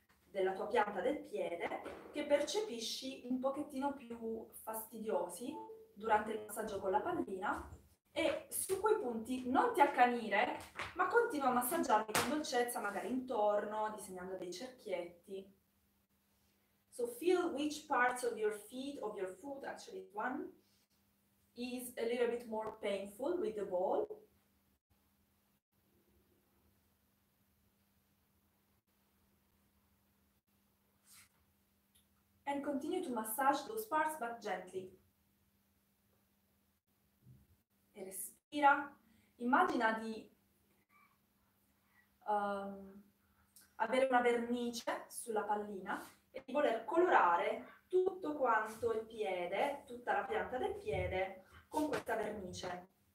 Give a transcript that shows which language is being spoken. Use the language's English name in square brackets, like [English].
[Italian] della tua pianta del piede che percepisci un pochettino più fastidiosi durante il massaggio con la pallina e su quei punti non ti accanire, ma continua a massaggiarli con dolcezza, magari intorno, disegnando dei cerchietti. [English] So feel which parts of your feet, of your foot, actually one, is a little bit more painful with the ball. And continue to massage those parts, but gently. [Italian] E respira. Immagina di avere una vernice sulla pallina e di voler colorare tutto quanto il piede, tutta la pianta del piede, con questa vernice.